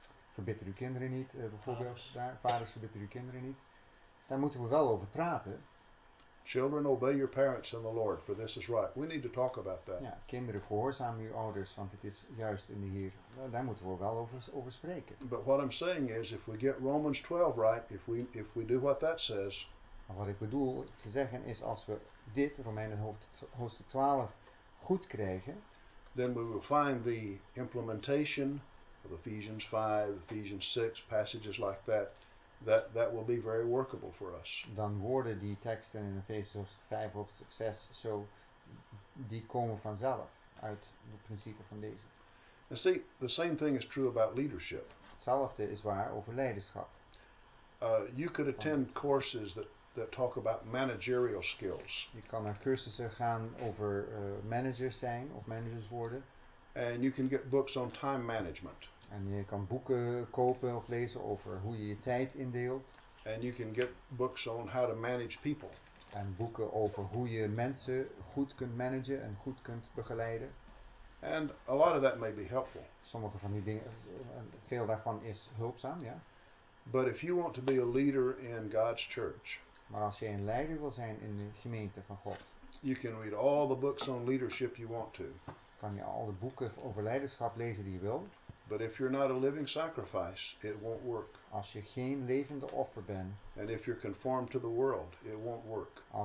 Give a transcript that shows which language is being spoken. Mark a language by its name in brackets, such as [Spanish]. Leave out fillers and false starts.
[Dutch] Verbitter uw kinderen niet, bijvoorbeeld. Daar. Vaders, verbitter uw kinderen niet. Daar moeten we wel over praten. [English] Children, obey your parents in the Lord, for this is right. We need to talk about that. [Dutch] Ja, kinderen, gehoorzaam uw ouders, want het is juist in de Heer. Daar moeten we wel over spreken. [English] But what I'm saying is, if we get Romans 12 right, if we do what that says. [Dutch] Maar wat ik bedoel te zeggen is, als we dit, Romeinen hoofdstuk 12, goed krijgen, [English] then we will find the implementation of Ephesians 5, Ephesians 6, passages like that. That will be very workable for us. [Dutch] Dan worden die teksten in Ephesians 5 of succes zo, die komen vanzelf uit het principe van deze. [English] And see, the same thing is true about leadership. [Dutch] Hetzelfde is waar over leiderschap. [English] You could attend courses that talk about managerial skills. [Dutch] Je kan naar cursussen gaan over managers zijn of managers worden. [English] And you can get books on time management. [Dutch] En je kan boeken kopen of lezen over hoe je je tijd indeelt. [English] And you can get books on how to manage people. [Dutch] En boeken over hoe je mensen goed kunt managen en goed kunt begeleiden. [English] And a lot of that may be helpful. [Dutch] Sommige van die dingen, veel daarvan is hulpzaam, ja. [English] But if you want to be a leader in God's church. [Dutch] Maar als jij een leider wil zijn in de gemeente van God. [English] You can read all the books on leadership you want to. [Dutch] Kan je al de boeken over leiderschap lezen die je wil. [English] But if you're not a living sacrifice, it won't work. [Dutch] Als je geen levende offer bent. [English] And if you're conformed to the world, it won't work.